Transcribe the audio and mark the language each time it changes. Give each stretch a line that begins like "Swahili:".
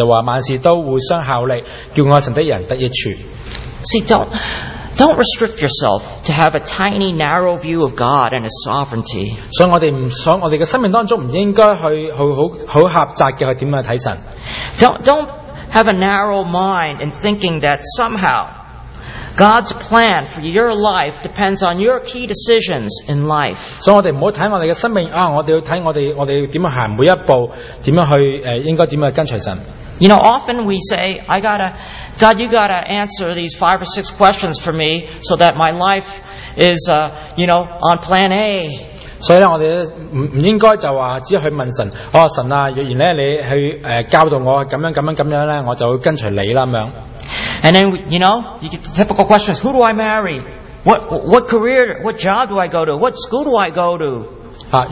Chinese: 所以就好像在罗马书第八章第28节就说，万事都互相效力，叫爱神的人得益处。
English: See, don't restrict yourself to have a tiny, narrow view of God and His sovereignty.
Chinese: 所以我们不想，我们的生命当中不应该去很狭窄的去怎样去看神。
English: Don't have a narrow mind in thinking that somehow God's plan for your life depends on your key decisions in life.
Chinese: 所以我们不要看我们的生命，我们要看我们怎么走每一步，怎么去，应该怎么跟随神。
English: You know, often we say, God, you gotta answer these 5 or 6 questions for me so that my life is, on plan A.
Chinese: 所以我们不应该就说只去问神，神啊，若然你去教导我这样，我就跟随你了。
English: And then, you get the typical questions, who do I marry? What career, what job do I go to? What school do I go to?